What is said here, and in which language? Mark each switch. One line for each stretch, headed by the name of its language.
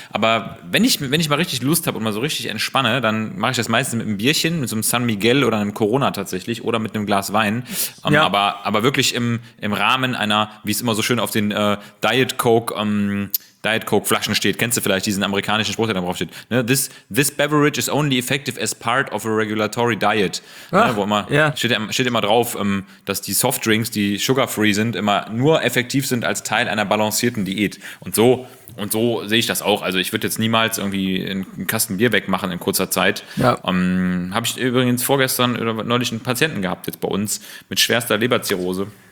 German: Aber wenn ich mal richtig Lust habe und mal so richtig entspanne, dann mache ich das meistens mit einem Bierchen, mit so einem San Miguel oder einem Corona tatsächlich oder mit einem Glas Wein. Ja. Aber wirklich im Rahmen einer, wie es immer so schön auf den Diet Coke-Flaschen steht. Kennst du vielleicht diesen amerikanischen Spruch, der da drauf steht? Ne?
English: This beverage is only effective as part of a regulatory diet.
German: Ach, ne? Wo immer, ja. steht immer drauf, dass die Softdrinks, die sugar-free sind, immer nur effektiv sind als Teil einer balancierten Diät. Und so sehe ich das auch. Also ich würde jetzt niemals irgendwie einen Kasten Bier wegmachen in kurzer Zeit. Ja. Habe ich übrigens vorgestern oder neulich einen Patienten gehabt jetzt bei uns mit schwerster Leberzirrhose.